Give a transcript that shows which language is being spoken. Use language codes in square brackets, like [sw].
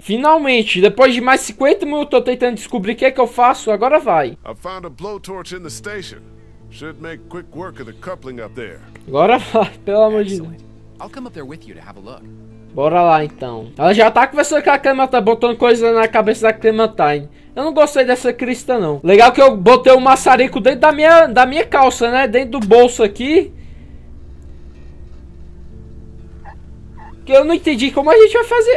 [pt] Finalmente, depois de mais 50 minutos, eu tô tentando descobrir o que é que eu faço. Agora vai. [en] I found a blowtorch in the station. Should make quick work of the coupling up there. [pt] Agora vai, pelo amor de Deus. [en] I'll come up there with you to have a look. [pt] Bora lá, então. Ela já tá conversando com a Clementine, botando coisa na cabeça da Clementine. Eu não gostei dessa crista, não. Legal que eu botei um maçarico dentro da minha calça, né? Dentro do bolso aqui. Eu não entendi como a gente vai fazer.